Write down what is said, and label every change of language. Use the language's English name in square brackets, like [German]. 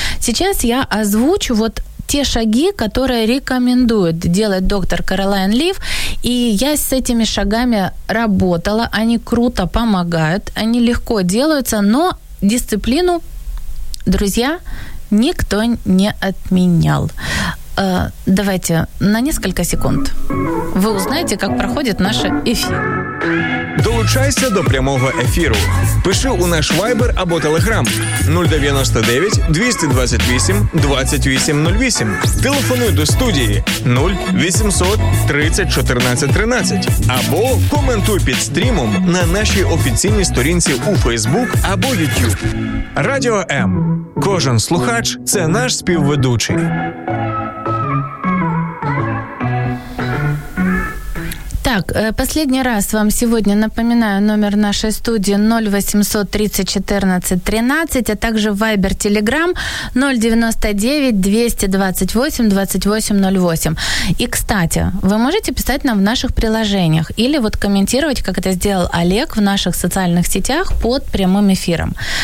[Russian] Сейчас я озвучу вот те шаги, которые рекомендует делать доктор Каролайн Лив, и я с этими шагами работала, они круто помогают, они легко делаются, но дисциплину, друзья, никто не отменял. Давайте на несколько секунд. Вы узнаете, как проходит наш эфир. [Ukrainian] Долучайся до прямого ефіру. Пиши у наш вайбер або телеграм 099-228-2808. Телефонуй до студії 0800-30-14-13. Або коментуй під стрімом на нашій офіційній сторінці у Фейсбук або Ютюб. Радіо М. Кожен слухач – це наш співведучий. [Russian] Так, последний раз вам сегодня напоминаю номер нашей студии 0800 30 14 13, а также Viber Telegram 099-228-2808. И, кстати, вы можете писать нам в наших приложениях или вот комментировать, как это сделал Олег, в наших социальных сетях под прямым эфиром.